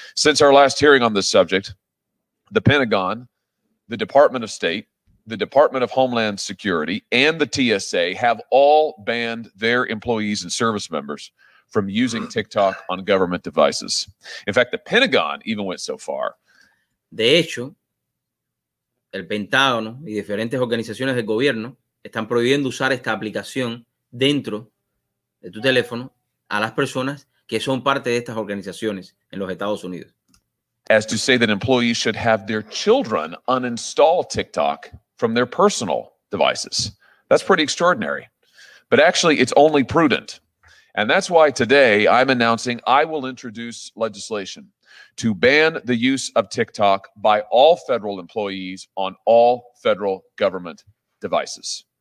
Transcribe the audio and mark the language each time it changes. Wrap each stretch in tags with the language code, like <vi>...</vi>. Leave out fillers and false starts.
<en>Since our last hearing on this subject, the Pentagon, the Department of State, the Department of Homeland Security, and the TSA have all banned their employees and service members from using TikTok on government devices. In fact, the Pentagon even went so far.</en> <es>De hecho, el Pentágono y diferentes organizaciones del gobierno están prohibiendo usar esta aplicación dentro de tu teléfono a las personas que son parte de estas organizaciones en los Estados Unidos.</es> <en>As to say that employees should have their children uninstall TikTok from their personal devices. That's pretty extraordinary. But actually, it's only prudent. And that's why today I'm announcing I will introduce legislation to ban the use of TikTok by all federal employees on all federal government devices.</en>